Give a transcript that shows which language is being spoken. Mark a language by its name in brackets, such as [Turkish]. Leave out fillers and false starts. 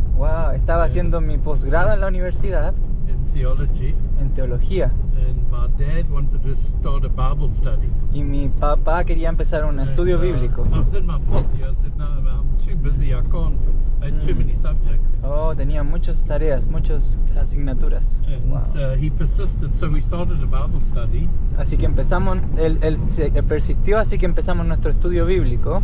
[Spanish] Wow, estaba haciendo mi posgrado en la universidad. [English] In theology. [Spanish] En teología. [English] And my dad wanted to start a Bible study. [Spanish] Y mi papá quería empezar un estudio bíblico. [English] I was in my fourth year. I said, no, I'm too busy. I can't. I had too many subjects. [Spanish] Oh, tenía muchas tareas, muchas asignaturas. [English] He persisted, so we started a Bible study. [Spanish] Así que empezamos, él persistió, así que empezamos nuestro estudio bíblico.